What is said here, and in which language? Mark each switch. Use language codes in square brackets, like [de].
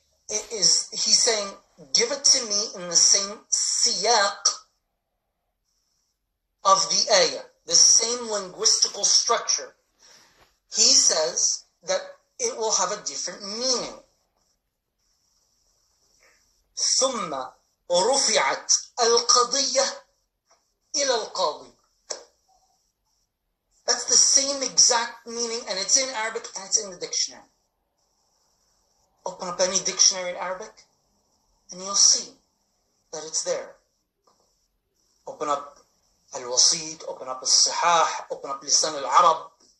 [en] He's saying, give it to me in the same siyaq of the ayah, the same linguistical structure. He says that it will have a different meaning. [ar] ثم رفعت القضية إلى القاضي. [en] That's the same exact meaning, and it's in Arabic and it's in the dictionary. Open up any dictionary in Arabic, and you'll see that it's there. Open up Al-Wasid, open up Al-Sihah, open up Lisan Al-Arab.